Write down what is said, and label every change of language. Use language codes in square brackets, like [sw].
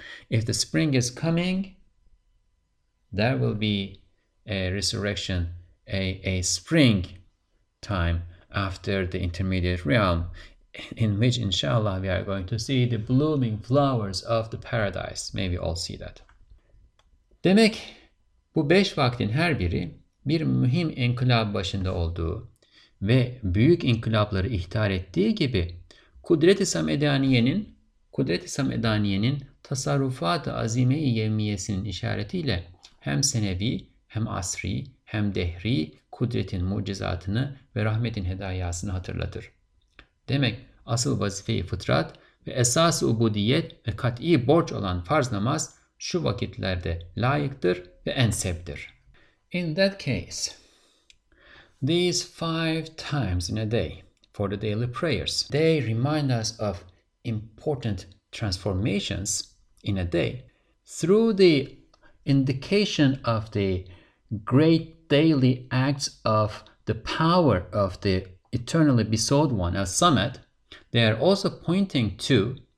[en] If the spring is coming, there will be a resurrection, a spring time after the intermediate realm. In which, inshallah, we are going to see the blooming flowers of the paradise. May we all see that. [tr] Demek, bu beş vaktin her biri bir mühim inkılap başında olduğu ve büyük inkılapları ihtar ettiği gibi Kudret-i Samedaniye'nin tasarrufat-ı azime-i yevmiyesinin işaretiyle hem senevi, hem asri, hem dehri kudretin mucizatını ve rahmetin hedayasını hatırlatır. Demek asıl vazife-i fıtrat ve esas-ı ubudiyet ve kat'i borç olan farz namaz şu vakitlerde layıktır ve ensebdir. [en] In that case, these five times in a day for the daily prayers, they remind us of important transformations in a day through the indication of the great daily acts of the power of the eternally besought one, a summit, they are also pointing to